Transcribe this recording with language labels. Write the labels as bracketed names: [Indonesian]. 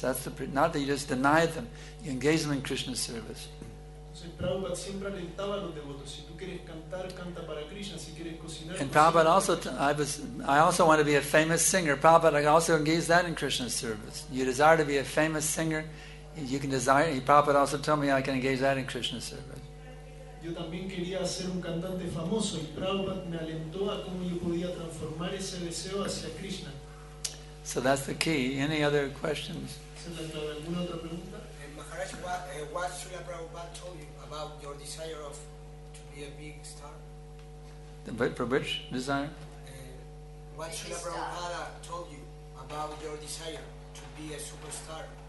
[English] That's the, not that you just deny them, you engage them in Krishna's service. And Prabhupada also, I also want to be a famous singer. Prabhupada, I also engage that in Krishna's service. You desire to be a famous singer, you can desire. Prabhupada also told me I can engage that in Krishna's service. [Spanish] Yo también quería ser un cantante famoso, y Prabhupada me alentó a cómo yo podía transformar ese deseo hacia Krishna. [English] So that's the key. Any other questions? [Spanish] ¿Alguna otra pregunta? [English] Maharaj, what Srila Prabhupada told you about your desire of to be a big star? For which desire? What Srila Prabhupada told you about your desire to be a superstar?